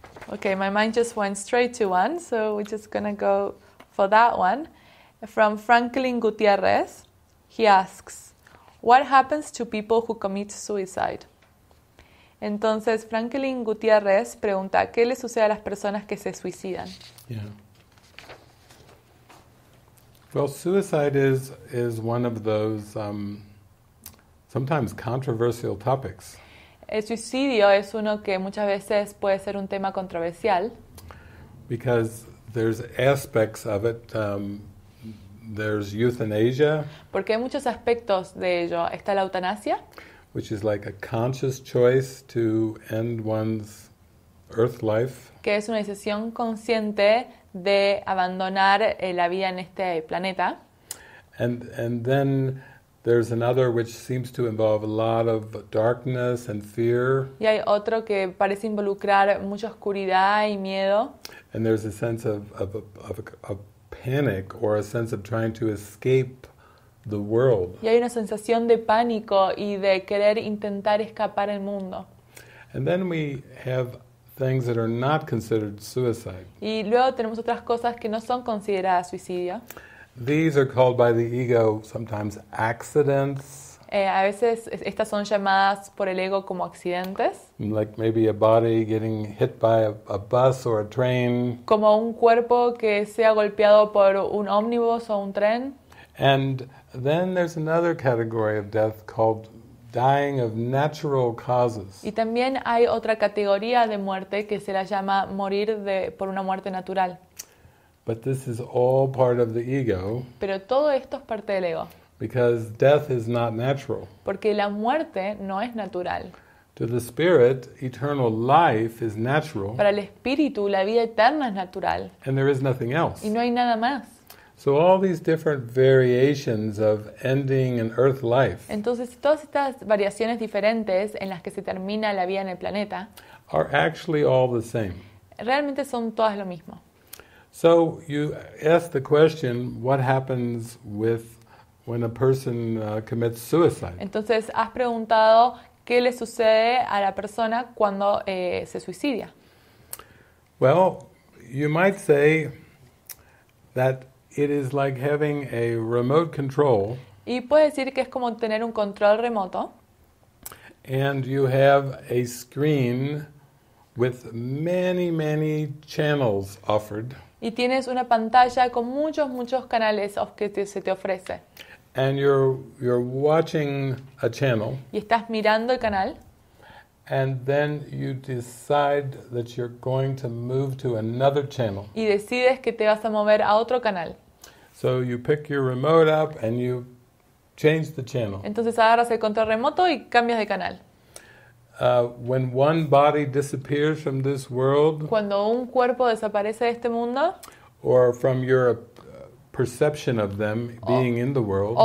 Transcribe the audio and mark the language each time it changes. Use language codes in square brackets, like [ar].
[en] Okay, my mind just went straight to one, so we're just going to go for that one. From Franklin Gutierrez, he asks, what happens to people who commit suicide? [es] Entonces, Franklin Gutierrez pregunta, ¿qué le sucede a las personas que se suicidan? [en] Yeah. Well, suicide is one of those sometimes controversial topics. [es] El suicidio es uno que muchas veces puede ser un tema controversial. [en] Because there's aspects of it. There's euthanasia. [es] Porque hay muchos aspectos de ello. Está la eutanasia. [en] Which is like a conscious choice to end one's earth life. [es] Que es una decisión consciente de abandonar la vida en este planeta. [en] And then there's another which seems to involve a lot of darkness and fear. [es] Y hay otro que parece involucrar mucha oscuridad y miedo. [en] And there's a sense of panic or a sense of trying to escape the world. [es] Y hay una sensación de pánico y de querer intentar escapar el mundo. [en] And then we have things that are not considered suicide. [es] Y luego tenemos otras cosas que no son consideradas suicidio. [en] These are called by the ego sometimes accidents. [es] A veces estas son llamadas por el ego como accidentes. [en] Like maybe a body getting hit by a bus or a train. [es] Como un cuerpo que sea golpeado por un ómnibus o un tren. [en] And then there's another category of death called dying of natural causes. [es] Y también hay otra categoría de muerte que se la llama morir de, por una muerte natural. [en] But this is all part of the ego. [es] Pero todo esto es parte del ego. [en] Because death is not natural. [es] Porque la muerte no es natural. [en] To the spirit, eternal life is natural. [es] Para el espíritu, la vida eterna es natural. [en] And there is nothing else. [es] Y no hay nada más. [en] So all these different variations of ending an earth life. [es] Entonces todas estas variaciones diferentes en las que se termina la vida en el planeta [en] are actually all the same. [es] Realmente son todas lo mismo. [en] So you ask the question, what happens with when a person commits suicide? [es] Entonces has preguntado qué le sucede a la persona cuando se suicida. [en] Well, you might say that it is like having a remote control. [es] Y puedes decir que es como tener un control remoto. [en] And you have a screen with many, many channels offered. [es] Y tienes una pantalla con muchos, muchos canales que se te ofrece. [en] And you're watching a channel. [es] Y estás mirando el canal. [en] And then you decide that you're going to move to another channel. [es] Y decides que te vas a mover a otro canal. [en] So you pick your remote up and you change the channel. [es] Entonces agarras el control remoto y cambias de canal. [en] When one body disappears from this world, [es] cuando un cuerpo desaparece de este mundo, [en] or from your perception of them being in the world,